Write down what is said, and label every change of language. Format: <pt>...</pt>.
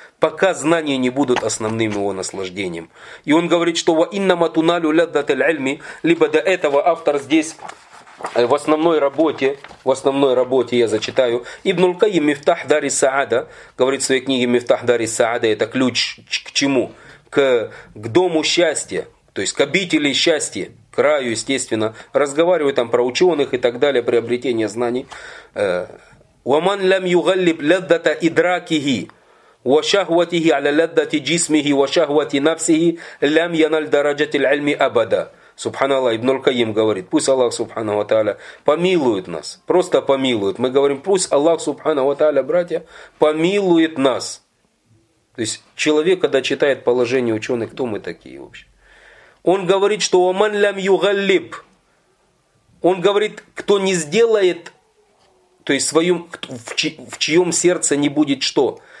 <ru>Пока знания не будут основным его наслаждением. И он говорит, что</ru> <ar>«Ва иннама туналю ляддат аль-альми»,</ar> <ru>либо до этого автор здесь в основной работе я зачитаю, Ибн аль-Кайм «Мифтах дари саада», говорит в своей книге «Мифтах дари саада», это ключ к чему? К дому счастья, то есть к обители счастья, к раю, естественно. Разговариваю там про ученых и так далее, приобретение знаний.</ru> <ar>«Ва ман лям югаллиб ляддата идракихи». وشهوته على لذة جسمه وشهوة نفسه لم ينال درجة العلم أبدا. سبحان الله.</ar> <ru>Ибн аль-Кайм говорит, пусть Аллах субханаху ва тааля помилует нас, просто помилует. Мы говорим, пусть Аллах субханаху ва тааля, братья, помилует нас. То есть человек, когда читает положение ученых, кто мы такие вообще? Он говорит, что</ru> <ar>ومن لم يغلب.</ar> <ru>Он говорит, кто не сделает, то есть в чьем сердце не будет что?</ru>